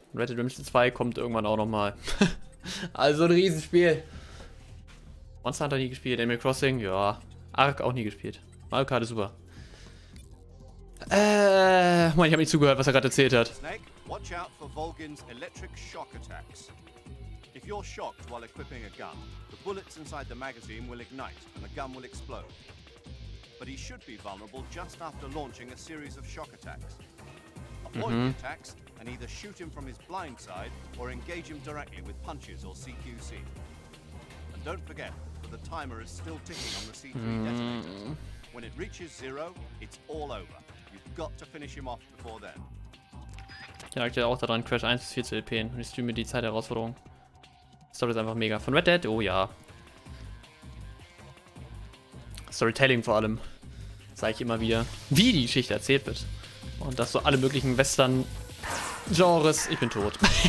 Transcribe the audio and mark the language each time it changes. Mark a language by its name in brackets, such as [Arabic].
[German] Red Dead Redemption 2 kommt irgendwann auch nochmal. Also ein Riesenspiel. Monster Hunter nie gespielt, Animal Crossing, ja. Ark auch nie gespielt. Mario Kart ist super. Mann, ich habe nicht zugehört, was er gerade erzählt hat. [English] Snake, watch out for Volgin's electric shock attacks. If you're shocked while equipping a gun, the bullets inside the magazine will ignite and the gun will explode. But he should be vulnerable just after launching a series of shock attacks. Avoid the attacks and either shoot him from his blind side or engage him directly with punches or CQC. And don't forget, the timer is still ticking on the C3 detonator. When it reaches zero, it's all over. You've got to finish him off before then. [German] Ich merke auch daran, Crash 1 bis 4 zu LP'en und ich streame die Zeitherausforderung. Story ist einfach mega. Von Red Dead? Oh ja. Storytelling vor allem. Zeige ich immer wieder, wie die Geschichte erzählt wird. Und dass so alle möglichen Western-Genres. Ich bin tot.